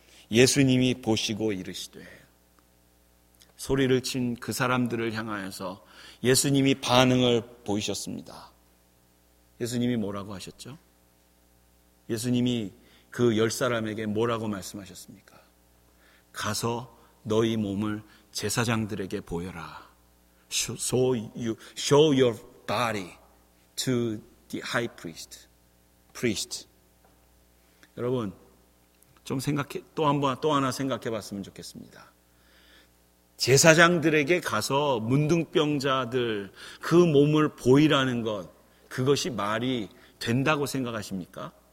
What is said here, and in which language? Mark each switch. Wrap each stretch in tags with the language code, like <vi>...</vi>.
<ko>예수님이 보시고 이르시되, 소리를 친 그 사람들을 향하여서 예수님이 반응을 보이셨습니다. 예수님이 뭐라고 하셨죠? 예수님이 그 열 사람에게 뭐라고 말씀하셨습니까? 가서 너희 몸을 제사장들에게 보여라.</ko> <en>Show your body to the high priest. Priest.</en> <ko>여러분, 좀 생각해, 또 하나 생각해 봤으면 좋겠습니다. 제사장들에게 가서 문둥병자들 그 몸을 보이라는 것, 그것이 말이 된다고 생각하십니까?</ko>